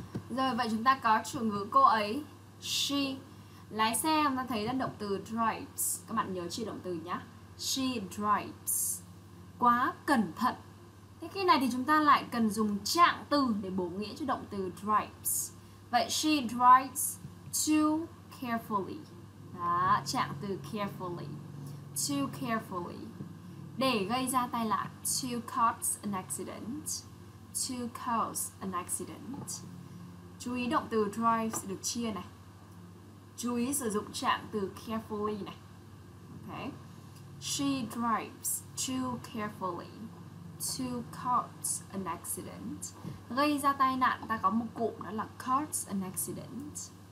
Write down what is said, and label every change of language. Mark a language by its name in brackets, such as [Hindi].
[Vietnamese] Rồi, vậy chúng ta có chủ ngữ cô ấy, she. Lái xe, chúng ta thấy là động từ drives. Các bạn nhớ chia động từ nhé. [English] She drives. [Vietnamese] Quá cẩn thận. Thế khi này thì chúng ta lại cần dùng trạng từ để bổ nghĩa cho động từ drives. [English] Vậy she drives too carefully. [Vietnamese] Đó, trạng từ carefully. [English] Too carefully. [Vietnamese] Để gây ra tai nạn. [English] To cause an accident. To cause an accident. [Vietnamese] Chú ý động từ drives được chia này. Chú ý sử dụng trạng từ carefully này. Okay. [English] She drives too carefully to cause an accident. [Vietnamese] Gây ra tai nạn, ta có một cụm đó là cause an accident.